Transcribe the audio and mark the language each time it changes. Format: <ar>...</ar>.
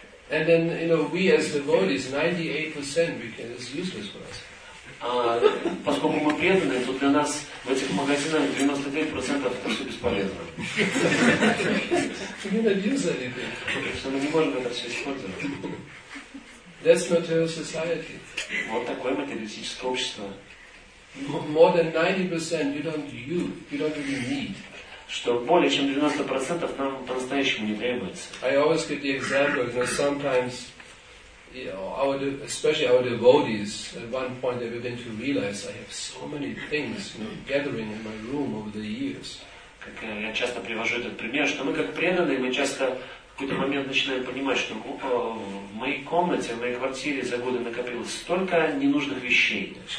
<en>And then, you know, we as devotees, 98% because it's useless for us.</en> <ru>Поскольку мы преданные, то для нас в этих магазинах 99% это все бесполезно.</ru> <en>We don't use anything.</en> <ru>Что мы не можем это все использовать.</ru> <en>That's material society.</en> <ru>Вот такое материалистическое общество.</ru> <en>More than 90% you don't really need.</en> <ru>Что более чем 90% нам по-настоящему не требуется.</ru> <en>I always give the example that sometimes, you know, especially our devotees, at one point they begin to realize I have so many things, you know, gathering in my room over the years.</en> <ru>Как я часто привожу этот пример, что мы как преданные, мы часто в какой-то момент начинаем понимать, что в моей комнате, в моей квартире за годы накопилось столько ненужных вещей.</ru>